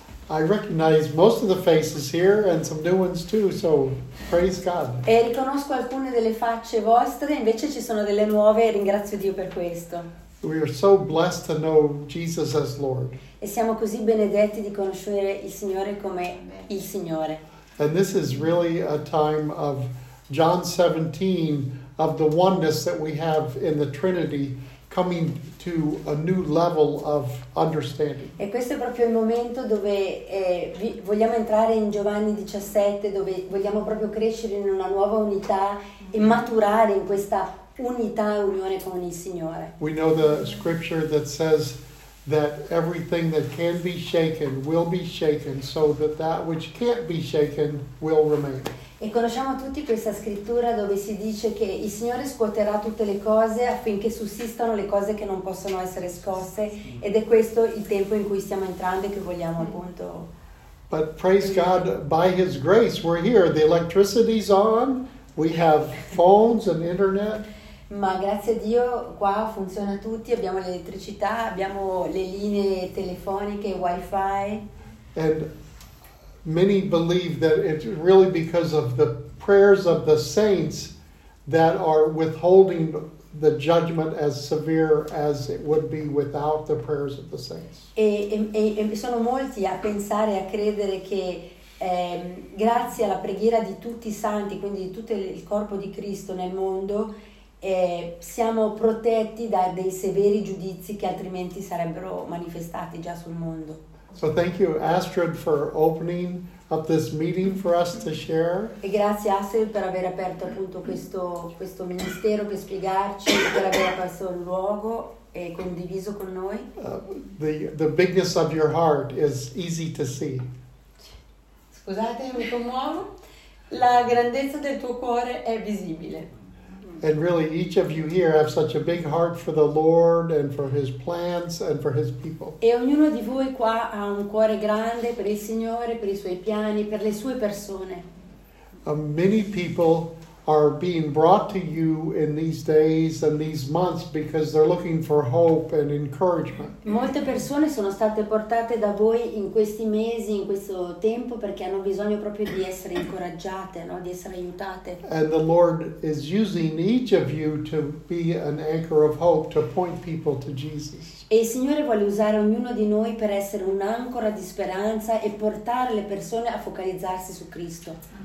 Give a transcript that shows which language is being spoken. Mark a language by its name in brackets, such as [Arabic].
[English] I recognize most of the faces here and some new ones too, so praise God. [Italian] E riconosco alcune delle facce vostre, invece ci sono delle nuove e ringrazio Dio per questo. [English] We are so blessed to know Jesus as Lord. [Italian] E siamo così benedetti di conoscere il Signore come il Signore. [English] And this is really a time of John 17, of the oneness that we have in the Trinity coming to a new level of understanding. [Italian] E questo è proprio il momento dove vogliamo entrare in Giovanni 17, dove vogliamo proprio crescere in una nuova unità e maturare in questa unità, unione con il Signore. [English] We know the scripture that says that everything that can be shaken will be shaken, so that that which can't be shaken will remain. [Italian] E conosciamo tutti questa scrittura dove si dice che il Signore scuoterà tutte le cose affinché sussistano le cose che non possono essere scosse, ed è questo il tempo in cui stiamo entrando e che vogliamo appunto. [English] But praise God, by His grace we're here. The electricity's on, we have phones and internet. [Italian] Ma grazie a Dio qua funziona tutti, abbiamo l'elettricità, abbiamo le linee telefoniche, wifi. [English] And many believe that it's really because of the prayers of the saints that are withholding the judgment as severe as it would be without the prayers of the saints. [Italian] E sono molti a pensare, a credere che grazie alla preghiera di tutti i santi, quindi di tutto il corpo di Cristo nel mondo, siamo protetti da dei severi giudizi che altrimenti sarebbero manifestati già sul mondo. [English] So thank you, Astrid, for opening up this meeting for us to share. [Italian] E grazie Astrid per aver aperto appunto questo ministero per spiegarci, per aver aperto il luogo e condiviso con noi. [English] The bigness of your heart is easy to see. [Italian] Scusate, mi commuovo. La grandezza del tuo cuore è visibile. [English] And really, each of you here have such a big heart for the Lord and for His plans and for His people. [Italian] E ognuno di voi qua ha un cuore grande per il Signore, per i suoi piani, per le sue persone. [English] Many people are being brought to you in these days and these months because they're looking for hope and encouragement. [Italian] Molte persone sono state portate da voi in questi mesi, in questo tempo, perché hanno bisogno proprio di essere incoraggiate, no? Di essere aiutate. [English] And the Lord is using each of you to be an anchor of hope, to point people to Jesus. [Italian] E il Signore vuole usare ognuno di noi per essere un'ancora di speranza e portare le persone a focalizzarsi su Cristo.